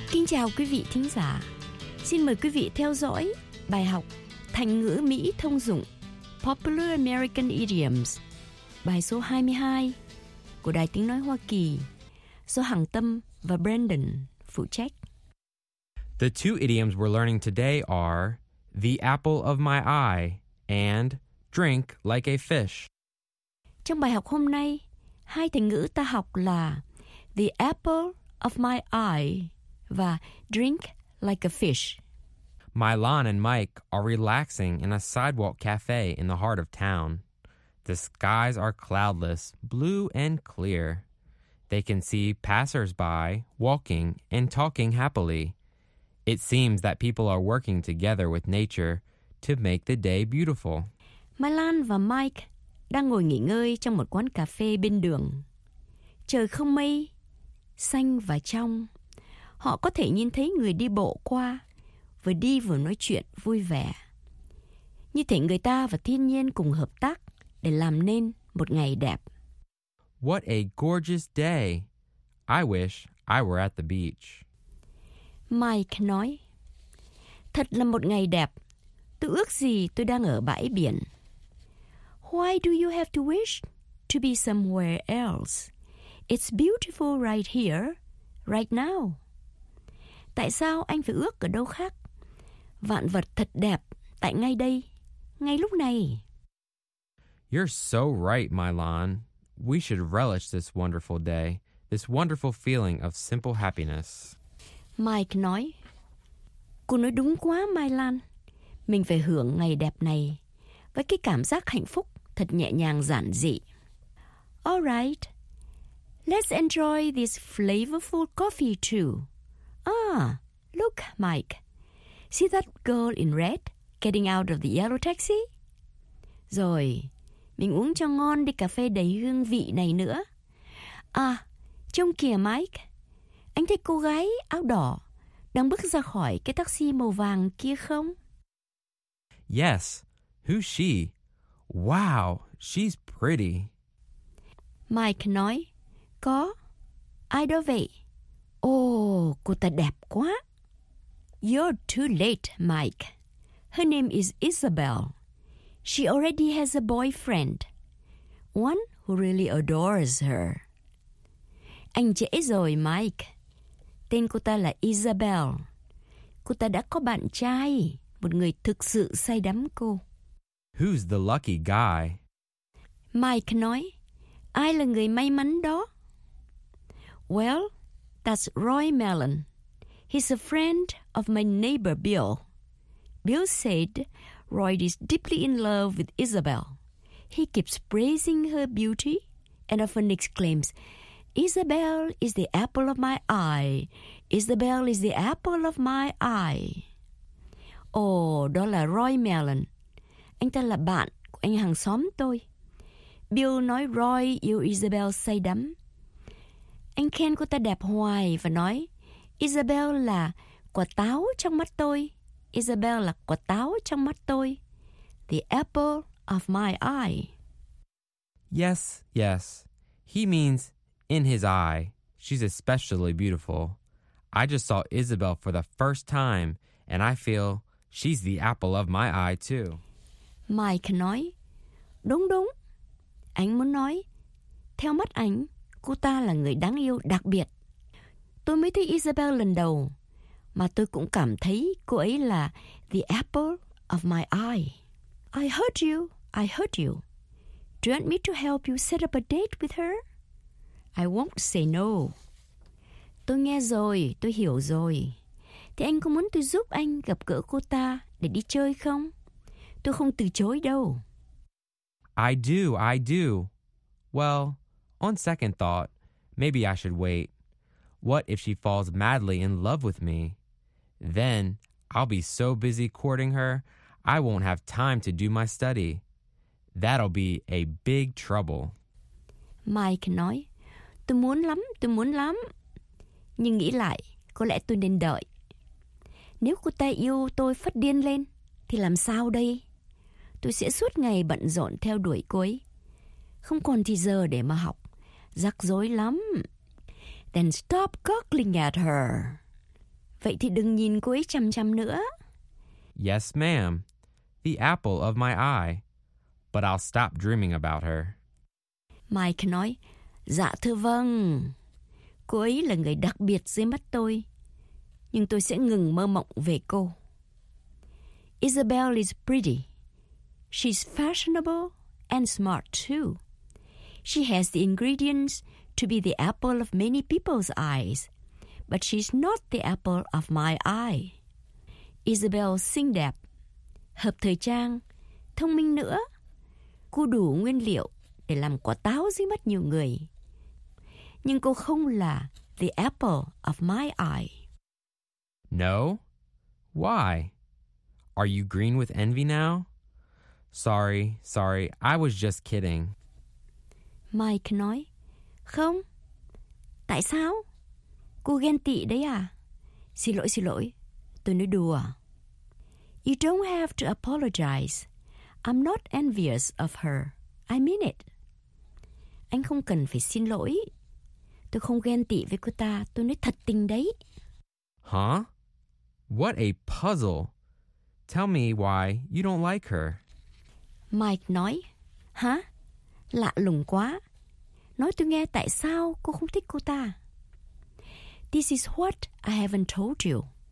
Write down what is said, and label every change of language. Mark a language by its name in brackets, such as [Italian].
[Vietnamese] Chào quý vị thính giả. Xin mời quý vị theo dõi bài học Thành ngữ Mỹ thông dụng [English] Popular American Idioms, [Vietnamese] bài số 22 của Đài Tiếng Nói Hoa Kỳ, do Hằng Tâm và Brandon phụ trách. [English] The two idioms we're learning today are the apple of my eye and drink like a fish. [Vietnamese] Trong bài học hôm nay, hai thành ngữ ta học là [English] the apple of my eye [Vietnamese] và [English] drink like a fish. Milan and Mike are relaxing in a sidewalk cafe in the heart of town. The skies are cloudless, blue and clear. They can see passersby walking and talking happily. It seems that people are working together with nature to make the day beautiful. [Vietnamese] Milan và Mike đang ngồi nghỉ ngơi trong một quán cà phê bên đường. Trời không mây, xanh và trong. Họ có thể nhìn thấy người đi bộ qua, vừa đi vừa nói chuyện vui vẻ. Như thể người ta và thiên nhiên cùng hợp tác để làm nên một ngày đẹp. [English] What a gorgeous day. I wish I were at the beach. [Vietnamese] Mike nói, thật là một ngày đẹp. Tôi ước gì tôi đang ở bãi biển. [English] Why do you have to wish to be somewhere else? It's beautiful right here, right now. [Vietnamese] Tại sao anh phải ước ở đâu khác? Vạn vật thật đẹp tại ngay đây, ngay lúc này. [English] You're so right, Milan. We should relish this wonderful day, this wonderful feeling of simple happiness. [Vietnamese] Mike nói, cô nói đúng quá, Milan. Mình phải hưởng ngày đẹp này với cái cảm giác hạnh phúc thật nhẹ nhàng giản dị. [English] All right, let's enjoy this flavorful coffee too. Ah, look, Mike. See that girl in red getting out of the yellow taxi? [Vietnamese] Rồi, mình uống cho ngon đi cà phê đầy hương vị này nữa. À, trông kìa Mike. Anh thấy cô gái áo đỏ đang bước ra khỏi cái taxi màu vàng kia không? [English] Yes, who's she? Wow, she's pretty. [Vietnamese] Mike nói, có, ai đó vậy? Oh, cô ta đẹp quá. [English] You're too late, Mike. Her name is Isabel. She already has a boyfriend. One who really adores her. [Vietnamese] Anh trễ rồi, Mike. Tên cô ta là Isabel. Cô ta đã có bạn trai, một người thực sự say đắm cô. [English] Who's the lucky guy? [Vietnamese] Mike nói, ai là người may mắn đó? [English] Well, that's Roy Mellon. He's a friend of my neighbor Bill. Bill said Roy is deeply in love with Isabel. He keeps praising her beauty and often exclaims, Isabel is the apple of my eye. Isabel is the apple of my eye. [Vietnamese] Oh, đó là Roy Mellon. Anh ta là bạn của anh hàng xóm tôi. Bill nói Roy yêu Isabel say đắm. Anh khen cô ta đẹp hoài và nói, Isabel là quả táo trong mắt tôi. Isabel là quả táo trong mắt tôi. [English] The apple of my eye. Yes, yes. He means in his eye. She's especially beautiful. I just saw Isabel for the first time and I feel she's the apple of my eye too. [Vietnamese] Mike nói, đúng đúng. Anh muốn nói, theo mắt anh, cô ta là người đáng yêu đặc biệt. Tôi mới thấy Isabel lần đầu, mà tôi cũng cảm thấy cô ấy là [English] the apple of my eye. I heard you, I heard you. Do you want me to help you set up a date with her? I won't say no. [Vietnamese] Tôi nghe rồi, tôi hiểu rồi. Thế anh có muốn tôi giúp anh gặp gỡ cô ta để đi chơi không? Tôi không từ chối đâu. [English] I do, I do. Well, on second thought, maybe I should wait. What if she falls madly in love with me? Then I'll be so busy courting her, I won't have time to do my study. That'll be a big trouble. [Vietnamese] Mike nói, tôi muốn lắm, nhưng nghĩ lại, có lẽ tôi nên đợi. Nếu cô ta yêu tôi phát điên lên, thì làm sao đây? Tôi sẽ suốt ngày bận rộn theo đuổi cô ấy, không còn thì giờ để mà học, rắc rối lắm. [English] Then stop cockling at her. [Vietnamese] Vậy thì đừng nhìn cô ấy chằm chằm nữa. [English] Yes, ma'am. The apple of my eye. But I'll stop dreaming about her. [Vietnamese] Mike nói, dạ thưa vâng. Cô ấy là người đặc biệt dưới mắt tôi. Nhưng tôi sẽ ngừng mơ mộng về cô. [English] Isabel is pretty. She's fashionable and smart too. She has the ingredients to be the apple of many people's eyes, but she's not the apple of my eye. [Vietnamese] Isabel xinh đẹp, hợp thời trang, thông minh nữa. Cô đủ nguyên liệu để làm quả táo dưới mắt nhiều người. Nhưng cô không là [English] the apple of my eye. No? Why? Are you green with envy now? Sorry, sorry, I was just kidding. [Vietnamese] Mike nói, không. Tại sao? Cô ghen tị đấy à? Xin lỗi, tôi nói đùa. [English] You don't have to apologize. I'm not envious of her. I mean it. [Vietnamese] Anh không cần phải xin lỗi. Tôi không ghen tị với cô ta, tôi nói thật tình đấy. [English] Huh? What a puzzle. Tell me why you don't like her. [Vietnamese] Mike nói, hả? Lạ lùng quá. Nói tôi nghe tại sao cô không thích cô ta. [English] This is what I haven't told you.